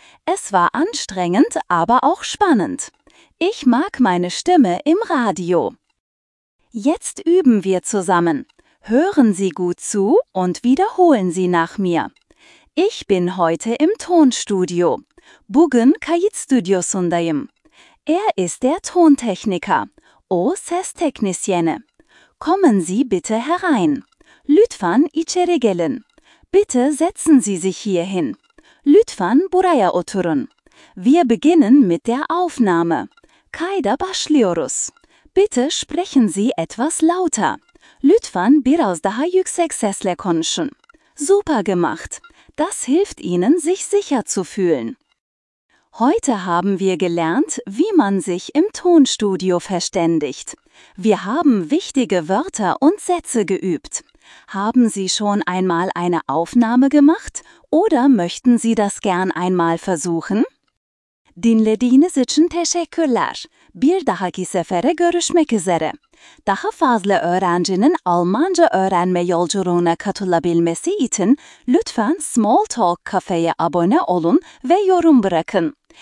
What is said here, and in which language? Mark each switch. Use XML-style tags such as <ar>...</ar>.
<de>Es war anstrengend, aber auch spannend. Ich mag meine Stimme im Radio. Jetzt üben wir zusammen. Hören Sie gut zu und wiederholen Sie nach mir. Ich bin heute im Tonstudio.</de> <tr>Bugün kayıt stüdyosundayım.</tr> <de>Er ist der Tontechniker.</de> <tr>O ses teknisyeni.</tr> <de>Kommen Sie bitte herein.</de> <tr>Lütfen içeri gelin.</tr> <de>Bitte setzen Sie sich hierhin.</de> <tr>Lütfen buraya oturun.</tr> <de>Wir beginnen mit der Aufnahme.</de> <tr>Kayda başlıyoruz.</tr> <de>Bitte sprechen Sie etwas lauter.</de> <tr>Lütfen biraz daha yüksek sesle konuşun.</tr> <de>Super gemacht. Das hilft Ihnen, sich sicher zu fühlen. Heute haben wir gelernt, wie man sich im Tonstudio verständigt. Wir haben wichtige Wörter und Sätze geübt. Haben Sie schon einmal eine Aufnahme gemacht oder möchten Sie das gern einmal versuchen?</de> <tr>Dinlediğiniz için teşekkürler. Bir dahaki sefere görüşmek üzere. Daha fazla öğrencinin Almanca öğrenme yolculuğuna katılabilmesi için lütfen Small Talk Cafe'ye abone olun ve yorum bırakın.</tr>